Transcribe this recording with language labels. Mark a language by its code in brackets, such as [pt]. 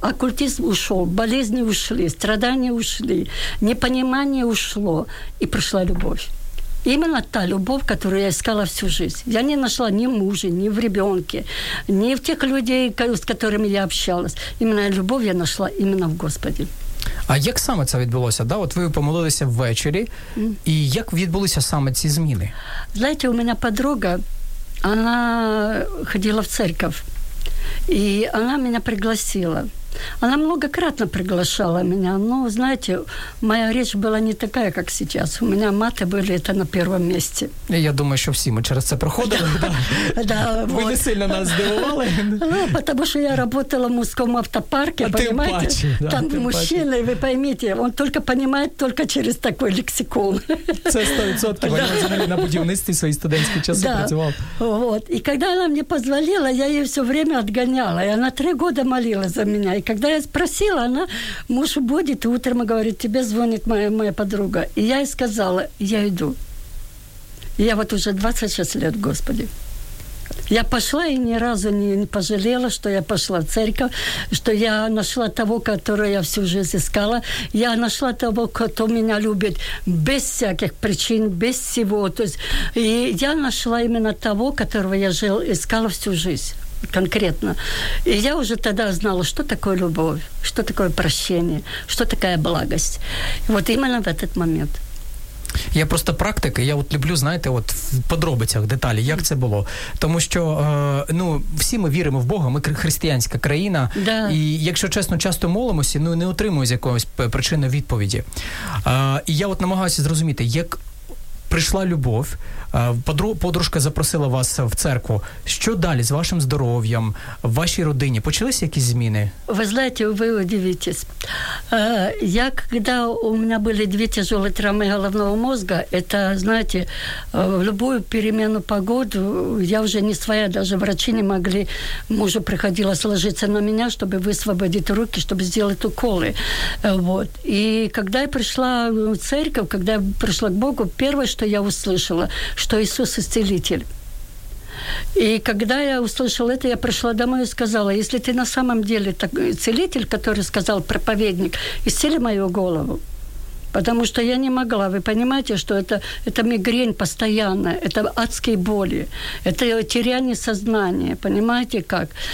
[ru] Оккультизм ушел, болезни ушли, страдания ушли, непонимание ушло, и пришла любовь. Именно та любовь, которую я искала всю жизнь. Я не нашла ни в муже, ни в ребенке, ни в тех людей, с которыми я общалась. Именно любовь я нашла именно в Господе. [uk] А як саме це відбулося? Да? От ви помолилися ввечері, і як відбулися саме ці зміни? Знаєте, у мене подруга, вона ходила в церковь. [ru] И она меня пригласила. Она многократно приглашала меня, но, знаете, моя речь была не такая, как сейчас. У меня маты были это на первом месте. Я думаю, что все мы через это проходили. Да, вот. Вы не сильно нас здивували. Ну, потому что я работала в мужском автопарке, понимаете? Там мужчины, вы поймите, он только понимает только через такой лексикон. Это 100%. Я знаю, на будівництві свои студентские часы працював. Вот. И когда она мне позволила, я ее все время отгоняла. И она 3 года молилась за меня. И когда я спросила, она, муж будет, и утром говорит, тебе звонит моя подруга. И я ей сказала, я иду. Я вот уже 26 лет, Господи. Я пошла и ни разу не пожалела, что я пошла в церковь, что я нашла того, которого я всю жизнь искала. Я нашла того, кто меня любит без всяких причин, без всего. То есть, и я нашла именно того, которого я искала всю жизнь. Конкретно. И я уже тогда знала, что такое любовь, что такое прощение, что такая благость. Вот именно в этот момент. [uk] Я просто практик, і я от люблю, знаєте, от в подробицях, деталі, як це було. Тому що, ну, всі ми віримо в Бога, ми християнська країна, да. І якщо чесно, часто молимося, ну, не отримуємо з якоїсь причини відповіді. І я от намагаюся зрозуміти, як прийшла любов, подружка запросила вас в церкву. Що далі з вашим здоров'ям, в вашій родині? Почалися якісь зміни? Ви знаєте, ви удивитесь. Я, коли у мене були 2 тяжелі травми головного мозга, це, знаєте, в любую переміну погоди, я вже не своя, навіть врачи не могли, мужу приходилось ложитися на мене, щоб висвободити руки, щоб зробити уколи. Вот. І коли я прийшла в церкву, коли я прийшла до Бога, перше, що я [ru] услышала, что Иисус – исцелитель. И когда я услышала это, я пришла домой и сказала, если ты на самом деле такой исцелитель, который сказал проповедник, исцели мою голову. Потому что я не могла. Вы понимаете, что это мигрень постоянная, это адские боли, это теряние сознания, понимаете как?